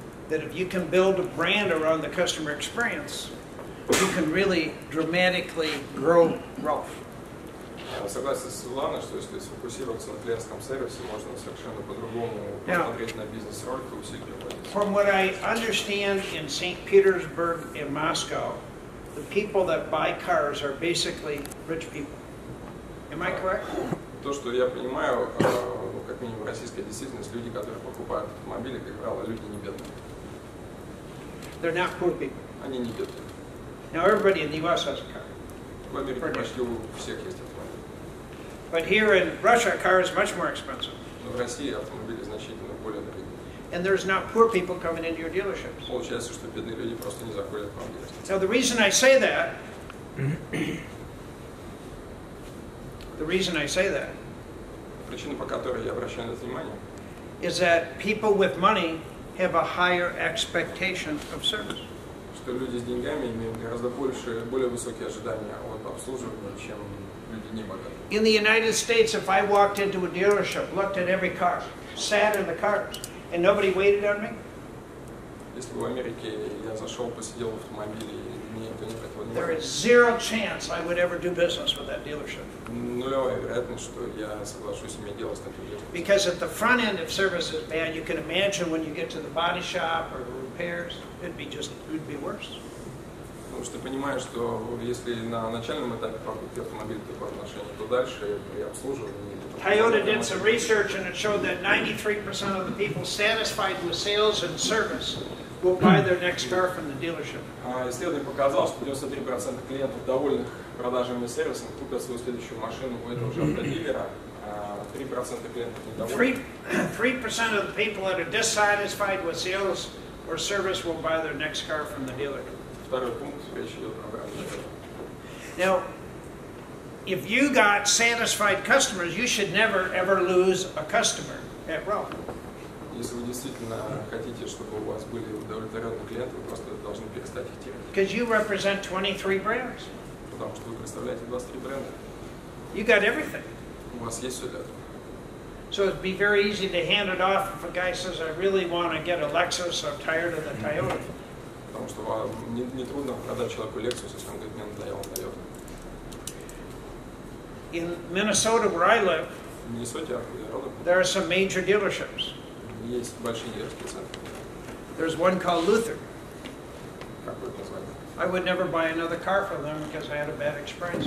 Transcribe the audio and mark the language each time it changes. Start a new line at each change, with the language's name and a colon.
English: That if you can build a brand around the customer experience, you can really dramatically grow Rolf.
Russian: Согласен с Светланой, что если сфокусироваться на клиентском сервисе, можно совершенно по-другому посмотреть на бизнес Rolf и усилить его.
English: From what I understand in St. Petersburg in Moscow, the people that buy cars are basically rich people. Am I correct?
Russian: То, что я понимаю, как минимум в российской действительности, люди, которые покупают автомобили, как правило, люди не бедные.
English: They're not poor people.
Russian: Они не бедные.
English: Now everybody in the U.S. has a car.
Russian: В Америке почти у всех есть автомобиль.
English: But here in Russia, a car is much more expensive.
Russian: Но в России автомобили значительно более дорогие.
English: And there's not poor people coming into your dealerships.
Russian: Получается, что бедные люди просто не заходят к вам в дилерство.
English: Now the reason I say that,
Russian: причина, по которой я обращаю на это внимание,
English: is that people with money have a higher expectation of service.
Russian: Что люди с деньгами имеют гораздо больше, более высокие ожидания от обслуживания, чем люди не богатые.
English: In the United States, if I walked into a dealership, looked at every car, sat in the car, and nobody waited on me?
Russian: Если бы в Америке я зашел, посидел в автомобиле и
English: There is zero chance I would ever do business with that dealership.
Russian: Нулевая вероятность, что я соглашусь иметь дело с таким дилером.
English: Because at the front end, if service is bad, you can imagine when you get to the body shop or repairs, it'd be worse.
Russian: Потому что понимаю, что если на начальном этапе покупки автомобиля такое отношение, то дальше я обслуживаю.
English: Toyota did some research and it showed that 93% of the people satisfied with sales and service will buy their next car from the dealership.
Russian: Исследование показало, что 93% клиентов, довольных продажами и сервисом, купят свою следующую машину у этого же автодилера. 3% клиентов недовольны.
English: 3% of the people that are dissatisfied with sales or service will buy their next car from the dealer.
Russian: Второй пункт, речь идет об обратном.
English: Now, if you got satisfied customers, you should never ever lose a customer at Rolf.
Russian: Если вы действительно хотите, чтобы у вас были удовлетворенные клиенты, вы просто должны перестать их терять.
English: Because you represent 23 brands.
Russian: Потому что вы представляете 23 бренда.
English: You got everything.
Russian: У вас есть все для этого.
English: So it'd be very easy to hand it off if a guy says, I really want to get a Lexus, I'm tired of the Toyota.
Russian: Потому что не трудно продать человеку Lexus, если он говорит, мне надоело Toyota.
English: In Minnesota, where I live, there are some major dealerships. There's one called Luther. I would never buy another car from them because I had a bad experience.